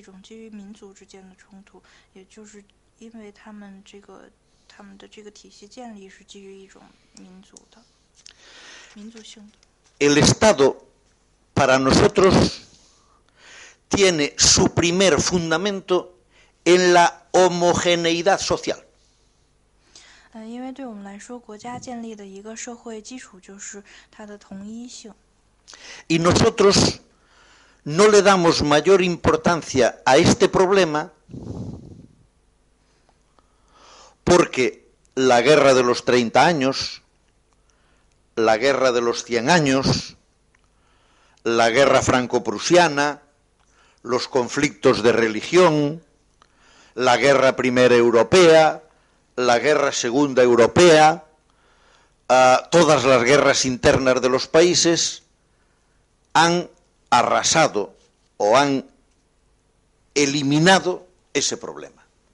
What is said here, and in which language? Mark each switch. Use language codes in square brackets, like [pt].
[zh] 因此当我们国家的人讨论当时巴尔干半岛问题的时候，我们常常说欧洲人是不可能理解这样的冲突的，因为它是一种基于民族之间的冲突，也就是因为他们这个体系建立是基于一种民族的。 [es] El Estado para nosotros tiene su primer fundamento en la homogeneidad social. [zh] 因为对我们来说, 国家建立的一个社会基础就是它的统一性。 [es] Y nosotros no le damos mayor importancia a este problema porque la guerra de los 30 años, la guerra de los 100 años, la guerra franco-prusiana, los conflictos de religión, la guerra primera europea, la guerra segunda europea, todas las guerras internas de los países han arrasado o han eliminado ese problema.